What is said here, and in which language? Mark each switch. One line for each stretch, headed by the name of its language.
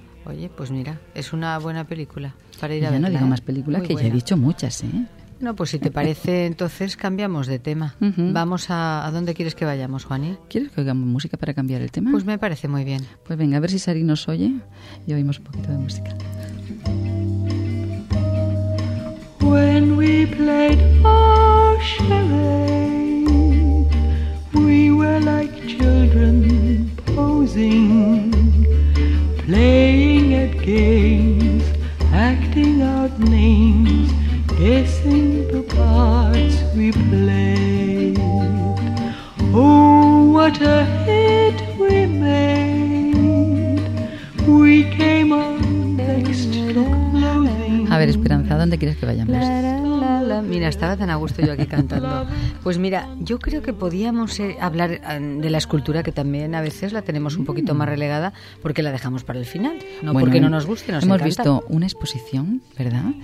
Spanish: Oye, pues mira, es una buena película para ir ya a ver. Ya no digo más películas, muy que buena. Ya he dicho muchas, ¿eh? No, pues si te parece, entonces cambiamos de tema. Uh-huh. Vamos a dónde quieres que vayamos, Juani. ¿Quieres que oigamos música para cambiar el tema? Pues me parece muy bien. Pues venga, a ver si Sari nos oye y oímos un poquito de música.
English: When we played our charade, we were like children posing, playing at games, acting out names, guessing the parts we played. Oh, what a hit we made. We came on next to clothing.
Spanish: A ver, Esperanza, ¿dónde quieres que vayamos? Mira, estaba tan a gusto yo aquí cantando. Pues mira, yo creo que podíamos hablar de la escultura, que también a veces la tenemos un poquito más relegada porque la dejamos para el final, no bueno, porque no nos guste, nos encanta. Hemos visto una exposición, ¿verdad?